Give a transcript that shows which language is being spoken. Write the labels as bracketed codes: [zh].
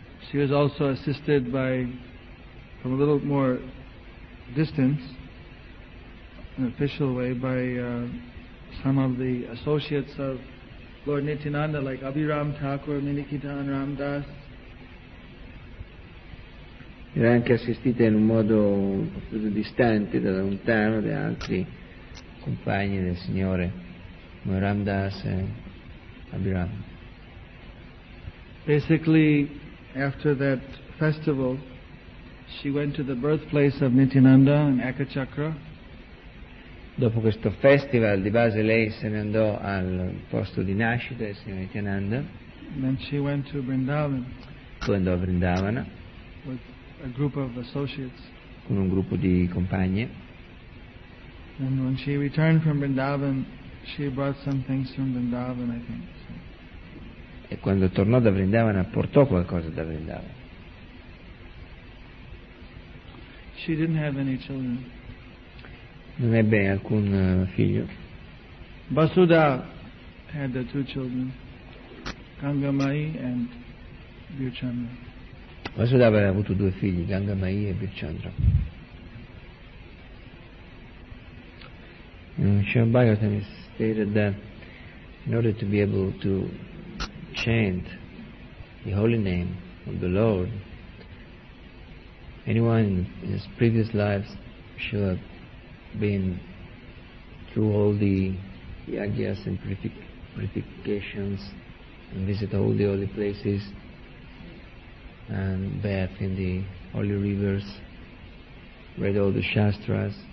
[en] She was also assisted by, from a little more distance, in an official way, by some of the associates of Lord Nityananda, like Abhiram Thakur, Minikitan, Ramdas. [it] Era anche assistita in un modo più distante, da lontano, da altri compagni del Signore, come Ramdas e Abhiram. [en] Basically, after that festival, she went to the birthplace of Nityananda in Akachakra. [it] dopo questo festival di base lei se ne andò al posto di nascita del signor Nityananda. [en] Then she went to Vrindavan. [it] Poi andò a Vrindavana. [en] With a group of associates. [it] Con un gruppo di compagne. [en] And when she returned from Vrindavan, she brought some things from Vrindavan, I think. So. [it] E quando tornò da Vrindavana portò qualcosa da Vrindavana. [en] She didn't have any children. [it] Non ebbe alcun figlio. [en] Vasudha had the two children, Gangamai and Birchandra. [it] Vasudha aveva avuto due figli, Gangamai e Birchandra. [en] Srila Bhagavatam stated that in order to be able to chant the holy name of the Lord, anyone in his previous lives should have been through all the yagyas and purifications and visit all the holy places and bathe in the holy rivers, read all the shastras.